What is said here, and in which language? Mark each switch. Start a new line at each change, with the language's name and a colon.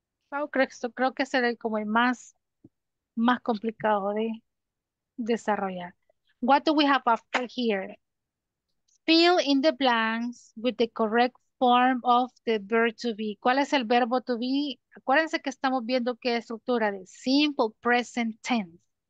Spanish: Creo que será como el más complicado de desarrollar.
English: What do we have after here? Fill in the blanks with the correct form of the verb to be.
Spanish: ¿Cuál es el verbo to be? Acuérdense que estamos viendo qué estructura de simple present tense.